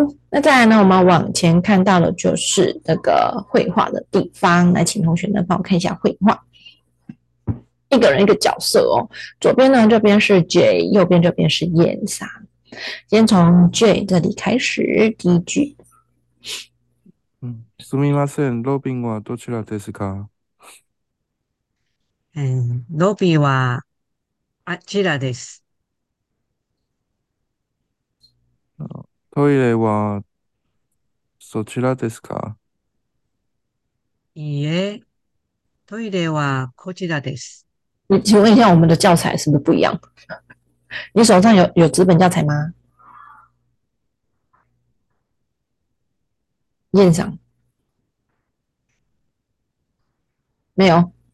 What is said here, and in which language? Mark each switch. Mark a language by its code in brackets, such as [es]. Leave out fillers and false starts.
[zh] 那再来呢，我们往前看到的就是那个绘画的地方，来请同学呢帮我看一下绘画。一个人一个角色哦，左边呢这边是 J，右边这边是 Yen 啥？先从 J 这里开始，第一句。 [ja] すみません、ロビンはどちらですか？ロビーはあちらです。トイレはそちらですか？いいえ、トイレはこちらです。 [zh] 你请问一下，我们的教材是不是不一样？你手上有纸本教材吗？验上。没有，啊，